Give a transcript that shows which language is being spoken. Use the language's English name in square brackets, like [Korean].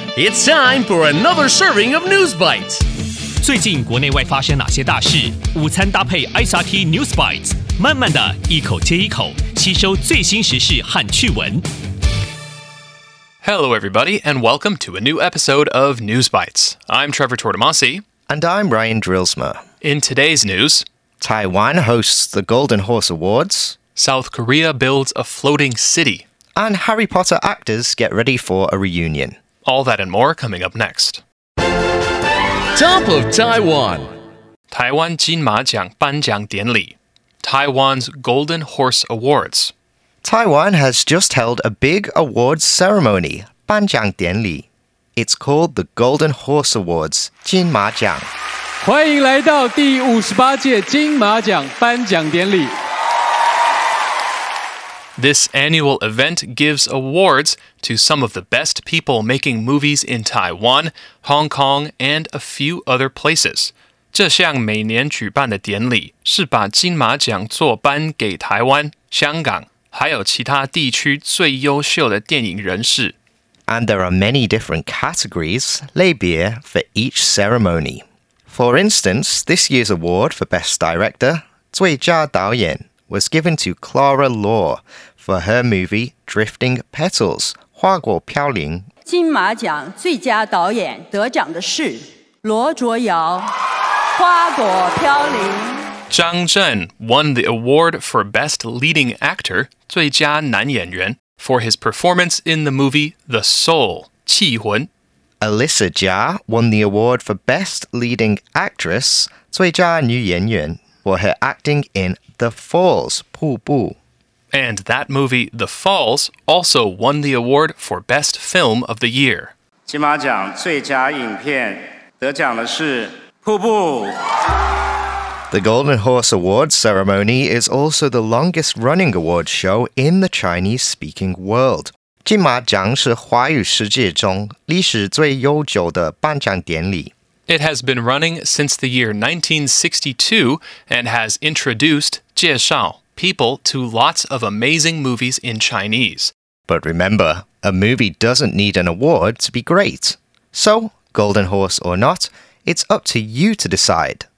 [English] It's time for another serving of News Bites. [Chinese] 最近国内外发生哪些大事？午餐搭配 SRT News Bites， 慢慢的一口接一口，吸收最新时事和趣闻。 [English] Hello, everybody, and welcome to a new episode of News Bites. I'm Trevor Tortomasi. And I'm Ryan Drilsmer. In today's news, Taiwan hosts the Golden Horse Awards. South Korea builds a floating city. And Harry Potter actors get ready for a reunion. All that and more coming up next. Top of Taiwan. Taiwan [Chinese] 金马奖颁奖典礼 [English] Taiwan's Golden Horse Awards. Taiwan has just held a big awards ceremony, [Chinese] 颁奖典礼. [English] It's called the Golden Horse Awards, [Chinese] 金马奖. 欢迎来到第58届金马奖颁奖典礼. [English] This annual event gives awards to some of the best people making movies in Taiwan, Hong Kong, and a few other places. [Chinese] 这项每年举办的典礼是把金马奖做颁给台湾、香港。还有其他地区最优秀的电影人士。 [English] And there are many different categories, [Chinese] 类别, [English] for each ceremony. For instance, this year's award for Best Director, [Chinese] 最佳导演, [English] was given to Clara Law for her movie Drifting Petals, [Chinese] 花果飘零。金马奖最佳导演得奖的是罗卓瑶，花果飘零。 [English] Zhang Zhen won the award for Best Leading Actor, [Chinese] 最佳男演员, [English] for his performance in the movie The Soul, [Chinese] 气魂. [English] Alyssa Jia won the award for Best Leading Actress, [Chinese] 最佳女演员, [English] for her acting in The Falls, [Chinese] 瀑布. [English] And that movie, The Falls, also won the award for Best Film of the Year. [Chinese] 金马奖最佳影片得奖的是瀑布. [English] The Golden Horse Awards ceremony is also the longest-running awards show in the Chinese-speaking world. [Chinese] 金马奖是华语世界中历史最悠久的颁奖典礼。 [English] It has been running since the year 1962 and has introduced [Chinese] 介绍 [English] people to lots of amazing movies in Chinese. But remember, a movie doesn't need an award to be great. So, Golden Horse or not, it's up to you to decide.